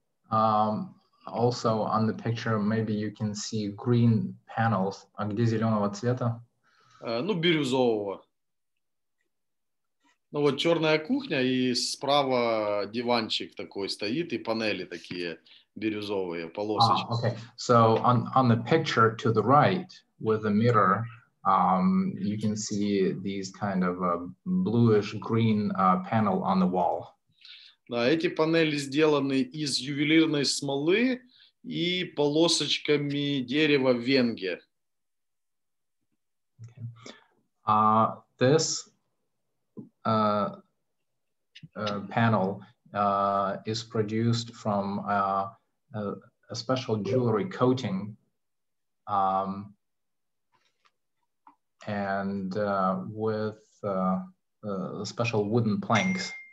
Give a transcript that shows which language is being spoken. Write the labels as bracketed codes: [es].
[en] Also on the picture, maybe you can see green panels. [ru] А где зеленого цвета? Ну, бирюзового. Ну вот черная кухня и справа диванчик такой стоит и панели такие бирюзовые полосочки. [en] Okay. So on the picture to the right with the mirror, you can see these kind of bluish green panel on the wall. [ru] Да, эти панели сделаны из ювелирной смолы и полосочками дерева венге. [en] Okay. This panel is produced from a special jewelry coating, and with special wooden planks.